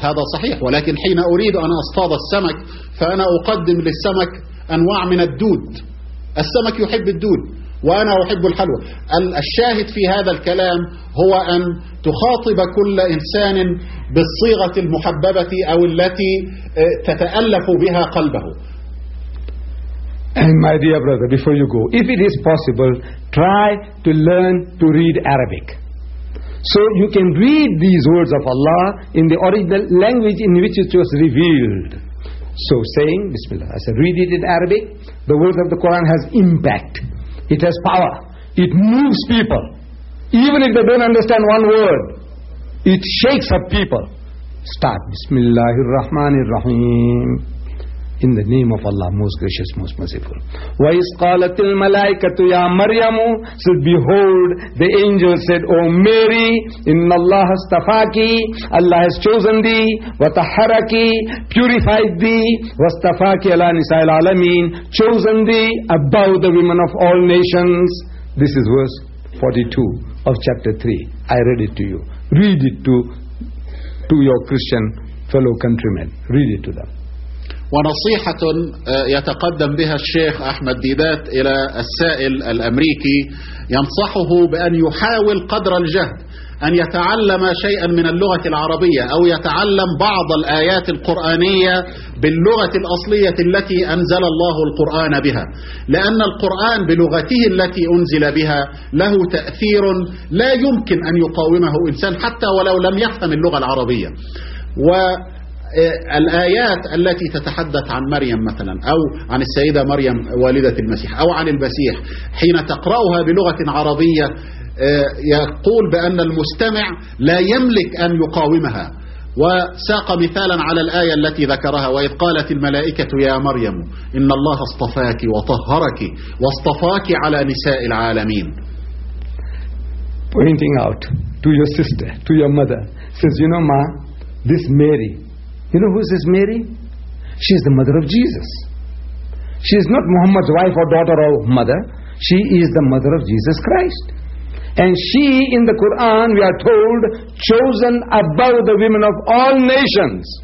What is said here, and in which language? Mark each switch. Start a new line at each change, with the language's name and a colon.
Arabic: هذا صحيح، ولكن حين أريد أن أصطاد السمك فأنا أقدم للسمك أنواع من الدود. السمك يحب الدود وأنا أحب الحلوى. الشاهد في هذا الكلام هو أن تخاطب كل إنسان بالصيغة المحببة أو التي تتألف بها قلبه.
English: And my dear brother, before you go, if it is possible, try to learn to read Arabic. So you can read these words of Allah in the original language in which it was revealed. So saying, Bismillah, I said, read it in Arabic. The words of the Quran has impact. It has power. It moves people. Even if they don't understand one word, it shakes up people. Start, Bismillahirrahmanirrahim. In the name of Allah, most gracious, most merciful.
Arabic: وَإِذْ قَالَتِ الْمَلَائِكَةُ يَا مَرْيَمُ
English: said, behold, the angel said, O Mary,
Arabic: إِنَّ اللَّهَ اصْطَفَاكِ
English: Allah has chosen thee,
Arabic: وَتَحَرَكِ
English: purified thee,
Arabic: وَاصْطَفَاكِ عَلَى نِسَاءِ الْعَالَمِينَ
English: chosen thee above the women of all nations. This is verse 42 of chapter 3. I read it to you. Read it to your Christian fellow countrymen. Read it to them.
Arabic: ونصيحة يتقدم بها الشيخ أحمد ديدات إلى السائل الأمريكي، ينصحه بأن يحاول قدر الجهد أن يتعلم شيئا من اللغة العربية أو يتعلم بعض الآيات القرآنية باللغة الأصلية التي أنزل الله القرآن بها، لأن القرآن بلغته التي أنزل بها له تأثير لا يمكن أن يقاومه إنسان حتى ولو لم يفهم اللغة العربية. و الآيات التي تتحدث عن مريم مثلا أو عن السيدة مريم والدة المسيح أو عن المسيح، حين تقرأها بلغة عربية يقول بأن المستمع لا يملك أن يقاومها. وساق مثالا على الآية التي ذكرها، وإذ قالت الملائكة يا مريم إن الله اصطفاك وطهرك واصطفاك على نساء العالمين.
English: Pointing out to your sister, to your mother, says, you know, ma, this Mary, you know who is this Mary? She is the mother of Jesus. She is not Muhammad's wife or daughter or mother. She is the mother of Jesus Christ. And she, in the Quran, we are told, chosen above the women of all nations.